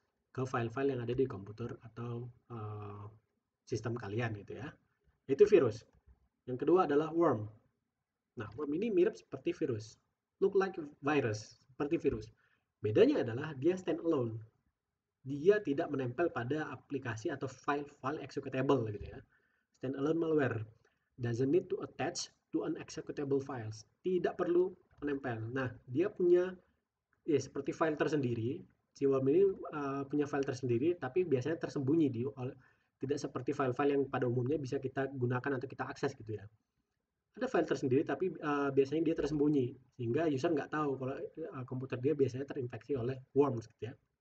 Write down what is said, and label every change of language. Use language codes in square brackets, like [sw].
[id] Ke file-file yang ada di komputer atau sistem kalian gitu ya. Itu virus. Yang kedua adalah worm. Nah, worm ini mirip seperti virus. [en] Look like virus, [id] seperti virus. Bedanya adalah dia stand alone. Dia tidak menempel pada aplikasi atau file-file executable gitu ya. [en] Stand alone malware doesn't need to attach to an executable files. [id] Tidak perlu menempel. Nah, dia punya ya seperti file tersendiri. Si worm ini punya file tersendiri tapi biasanya tersembunyi di tidak seperti file-file yang pada umumnya bisa kita gunakan atau kita akses gitu ya. Ada file tersendiri tapi biasanya dia tersembunyi sehingga user nggak tahu kalau komputer dia biasanya terinfeksi oleh worms gitu ya.